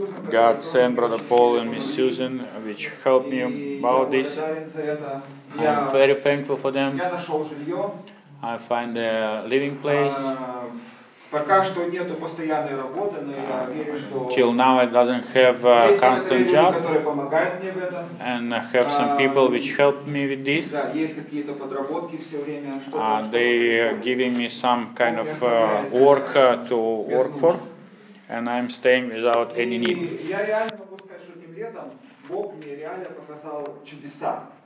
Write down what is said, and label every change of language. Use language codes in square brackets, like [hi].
[en] God sent Brother Paul and Miss Susan, which helped me about this. I'm very thankful for them. I find a living place. [ru] Пока что нету постоянной работы, но я верю, что [en] till now it doesn't have a constant job. And I have some people which help me with this. [ru] Да, есть какие-то подработки все время, что-то. [en] They are giving me some kind of work to work for, and I'm staying without any need. [ru] Я реально могу сказать, что этим летом Бог мне реально показал чудеса.